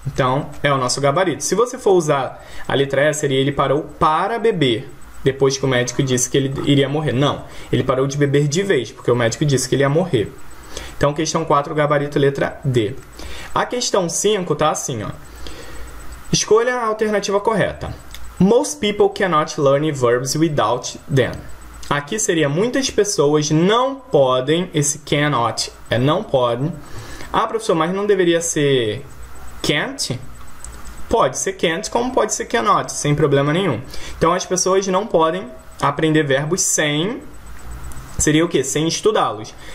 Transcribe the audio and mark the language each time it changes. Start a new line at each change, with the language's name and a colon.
Portuguese: Então, é o nosso gabarito. Se você for usar a letra E, seria ele parou para beber, depois que o médico disse que ele iria morrer. Não, ele parou de beber de vez, porque o médico disse que ele ia morrer. Então, questão 4, gabarito letra D. A questão 5 está assim, ó. Escolha a alternativa correta.
English: Most people cannot learn verbs without them.
Portuguese: Aqui seria muitas pessoas não podem, esse cannot é não podem. Ah, professor, mas não deveria ser can't? Pode ser can't, como pode ser cannot, sem problema nenhum. Então, as pessoas não podem aprender verbos sem. Seria o quê? Sem estudá-los.